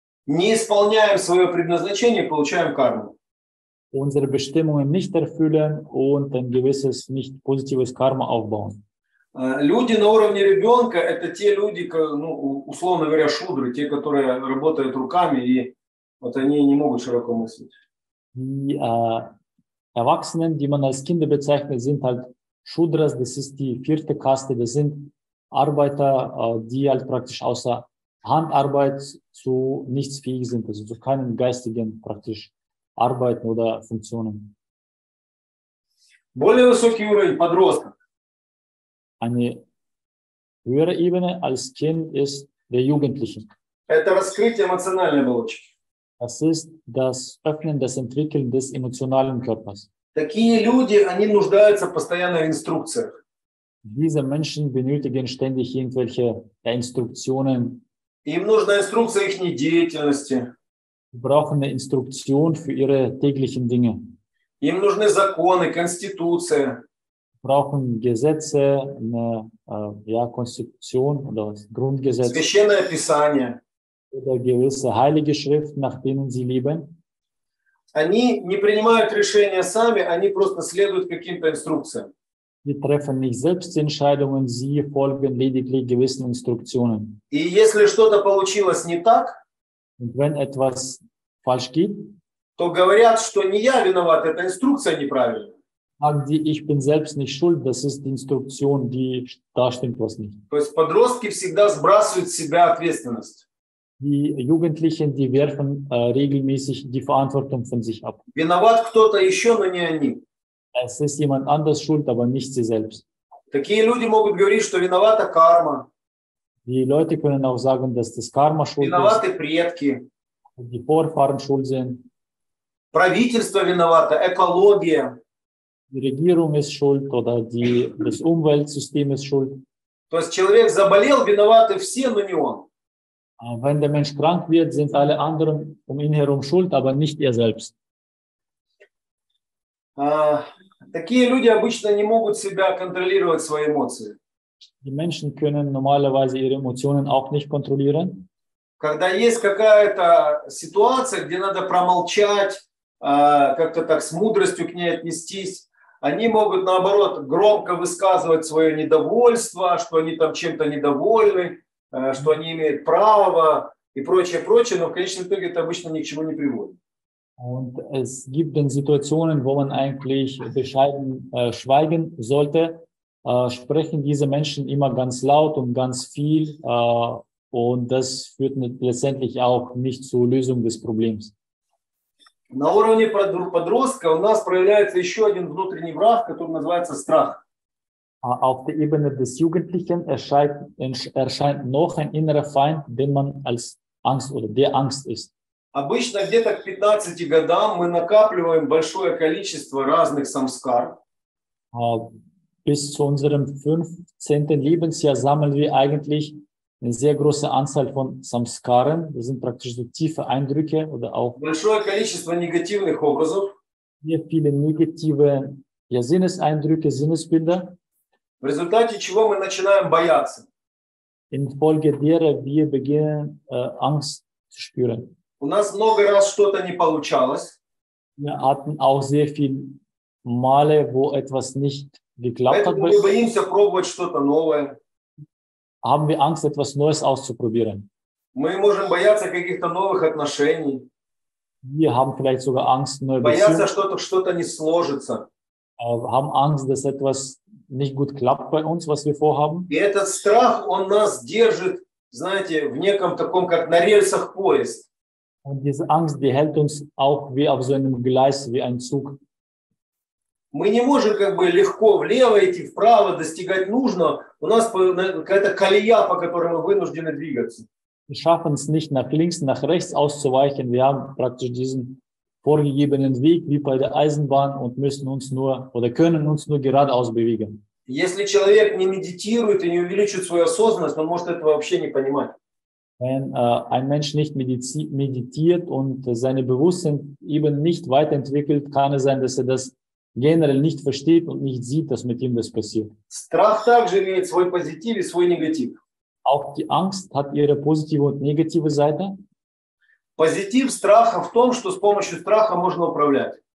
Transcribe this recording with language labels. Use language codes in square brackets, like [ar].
[ru] Не исполняем свое предназначение, получаем карму. [de] Unsere Bestimmungen nicht erfüllen und ein gewisses nicht positives Karma aufbauen. [ru] Люди на уровне ребенка – это те люди, ну, условно говоря, шудры, те, которые работают руками, и вот они не могут широко мыслить. [de] Die Erwachsenen, die man als Kinder bezeichnet, sind halt Shudras, das ist die vierte Kaste, das sind Arbeiter, die halt praktisch außer Handarbeit zu nichts fähig sind, also zu keinen geistigen praktisch Arbeiten oder Funktionen. [ru] Более высокий уровень подросток. [de] Eine höhere Ebene als Kind ist der Jugendliche. [ru] Это раскрытие эмоциональной оболочки. [de] Das ist das Öffnen, das Entwickeln des emotionalen Körpers. [ru] Такие люди, они нуждаются постоянно в инструкциях. [de] Diese Menschen benötigen ständig irgendwelche Instruktionen. [ru] Им нужна инструкция их деятельности. [de] Sie brauchen eine Instruktion für ihre täglichen Dinge. [ru] Им нужны законы, конституция. [de] Sie brauchen Gesetze, eine Konstitution oder Grundgesetz. [ru] Священное Писание. [de] Oder gewisse heilige Schriften, nach denen sie leben. [ru] Они не принимают решения сами, они просто следуют каким-то инструкциям. [de] Sie treffen nicht selbst Entscheidungen, sie folgen lediglich gewissen Instruktionen. [ru] И если что-то получилось не так, [de] und wenn etwas falsch geht, [ru] то говорят, что не я виноват, это инструкция неправильная. [de] Sagen sie, ich bin selbst nicht schuld, das ist die Instruktion, die da stimmt was nicht. [ru] То есть подростки всегда сбрасывают с себя ответственность. [de] Die Jugendlichen, die werfen regelmäßig die Verantwortung von sich ab. [ru] Виноват кто-то еще, но не они. [de] Es ist jemand anders schuld, aber nicht sie selbst. [ru] Такие люди могут говорить, что виновата карма. [de] Die Leute können auch sagen, dass das Karma schuld [ru] Виноваты [de] ist. [ru] Виноваты предки. [de] Die Vorfahren schuld sind. [ru] Правительство виновато, экология. [de] Die Regierung ist schuld oder das Umweltsystem ist schuld. [ru] То есть человек заболел, виноваты все, но не он. [de] Wenn der Mensch krank wird, sind alle anderen um ihn herum schuld, aber nicht er selbst. [ru] Такие люди обычно не могут себя контролировать свои эмоции. [de] Die Menschen können normalerweise ihre Emotionen auch nicht kontrollieren. [ru] Когда есть какая-то ситуация, где надо промолчать, как-то так с мудростью к ней отнестись, они могут наоборот громко высказывать свое недовольство, что они там чем-то недовольны. Что они имеют право и прочее, прочее, но в конечном итоге это обычно ни к чему не приводит. [de] Und es gibt dann Situationen, wo man eigentlich bescheiden schweigen sollte, sprechen diese Menschen immer ganz laut und ganz viel, und das führt letztendlich auch nicht zur Lösung des Problems. [ru] На уровне подростка у нас проявляется еще один внутренний враг, который называется страх. [de] Auf der Ebene des Jugendlichen erscheint noch ein innerer Feind, den man als Angst oder der Angst ist. [ru] Обычно где-то к 15 годам мы накапливаем большое количество разных самскар. [de] Bis zu unserem 15. Lebensjahr sammeln wir eigentlich eine sehr große Anzahl von Samskaren. Das sind praktisch so tiefe Eindrücke oder auch [ru] большое количество негативных образов. [de] Sehr viele negative Sinneseindrücke, Sinnesbilder. [ru] В результате чего мы начинаем бояться. [de] Infolge derer wir beginnen, Angst zu spüren. [ru] У нас много раз что-то не получалось. [de] Wir hatten auch sehr viele Male, wo etwas nicht geklappt [ru] Поэтому [de] hat. [ru] Мы боимся пробовать что-то новое. [de] Haben wir Angst, etwas Neues auszuprobieren. [ru] Мы можем бояться каких-то новых отношений. [de] Wir haben vielleicht sogar Angst, neue Beziehungen. [ru] Бояться, что-то не сложится. [de] Haben Angst, dass etwas nicht gut klappt bei uns, was wir vorhaben. [ru] И этот страх, он нас держит, знаете, в неком таком, как на рельсах поезд. [de] Und diese Angst, die hält uns auch wie auf so einem Gleis, wie ein Zug. [ru] Мы не можем как бы легко влево идти, вправо достигать нужного. У нас какая-то колея, по которой мы вынуждены двигаться. [de] Wir schaffen es nicht, nach links, nach rechts auszuweichen. Wir haben praktisch diesen vorgegebenen Weg, wie bei der Eisenbahn, und müssen uns nur oder können uns nur geradeaus bewegen. [ru] Если человек не медитирует и не увеличивает свою осознанность, он может этого вообще не понимать. [de] Wenn ein Mensch nicht meditiert und seine Bewusstsein eben nicht weiterentwickelt, kann es sein, dass er das generell nicht versteht und nicht sieht, dass mit ihm das passiert. [ru] Страх также имеет свой позитив и свой негатив. [de] Auch die Angst hat ihre positive und negative Seite. [ru] Позитив страха в том, что с помощью страха можно управлять.